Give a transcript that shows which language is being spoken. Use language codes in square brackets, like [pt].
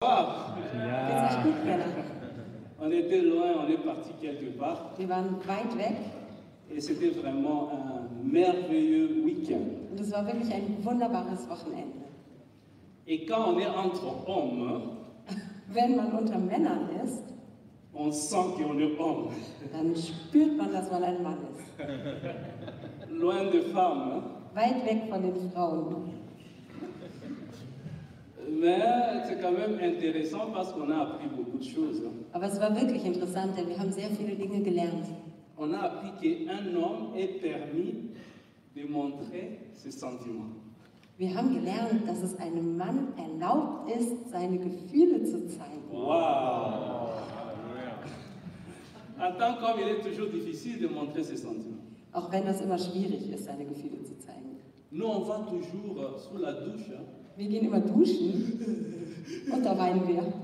[fr] On était loin, on est parti quelque part. [de] Wir waren weit weg. [fr] Et c'était vraiment un merveilleux week-end. [de] Und es war wirklich ein wunderbares Wochenende. [fr] Et quand on est entre hommes, [de] wenn man unter Männern ist, [fr] on sent qu'on est homme. [de] Dann spürt man, dass man ein Mann ist. [fr] Loin des femmes. [de] Weit weg von den Frauen. [fr] Mais c'est quand même intéressant parce qu'on a appris beaucoup de choses. [de] Aber es war wirklich interessant, denn wir haben sehr viele Dinge gelernt. [fr] On a appris qu'un homme est permis de montrer ses sentiments. [de] Wir haben gelernt, dass es einem Mann erlaubt ist, seine Gefühle zu zeigen. Wow! [fr] En tant qu'homme, il est toujours difficile de montrer ses sentiments. [de] Auch wenn das immer schwierig ist, seine Gefühle zu zeigen. [fr] Nous, on va toujours sous la douche. [de] Wir gehen immer duschen und da weinen wir.